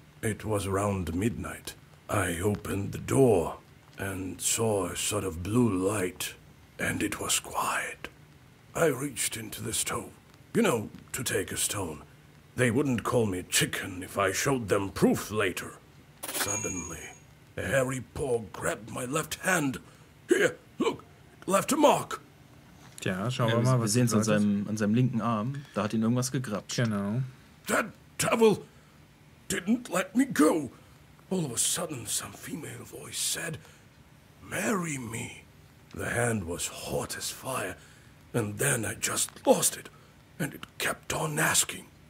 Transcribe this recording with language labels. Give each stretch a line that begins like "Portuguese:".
English: It was around midnight. I opened the door and saw a sort of blue light, and it was quiet. I reached into the stove, you know, to take a stone. They wouldn't call me chicken if I showed them proof later. Suddenly, a hairy paw grabbed my left hand. Here, look, it left a mark.
German: Tja, schauen wir mal, was wir sehen. An seinem linken Arm, da hat ihn irgendwas gegrabt. Genau.
English: That devil didn't let me go. All of a sudden, some female voice said, marry me. The hand was hot as fire, and then I just lost it, and it kept on asking.